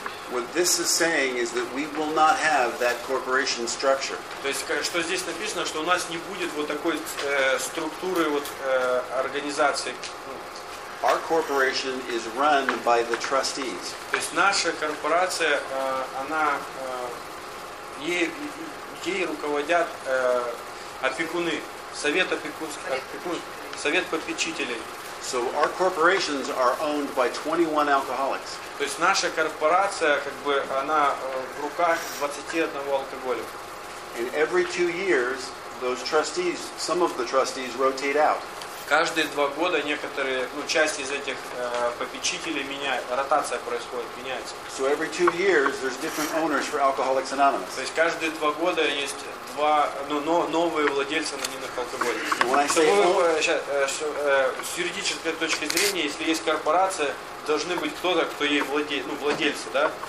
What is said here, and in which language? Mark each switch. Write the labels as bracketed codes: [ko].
[en] What this is saying is that we will not have that corporation structure. [ru] То есть что здесь написано, что у нас не будет вот такой структуры организации. [en] Our corporation is run by the trustees. [ru] То есть наша корпорация, она ей ей руководят опекуны, совет опекун, совет попечителей. [en] So our corporations are owned by 21 alcoholics. [ru] То есть наша корпорация, как бы, она в руках 21 алкоголика. [en] And every 2 years, those trustees, some of the trustees rotate out. [ru] Каждые 2 года некоторые, ну, часть из этих попечителей меняют, ротация происходит, меняется. [en] So every 2 years, there's different owners for Alcoholics Anonymous. [ru] То есть каждые 2 года есть два, ну, новые владельцы анонимных алкоголиков. С юридической точки зрения, если есть корпорация, должны быть кто-то, кто ей владеет, ну, владельцы, да?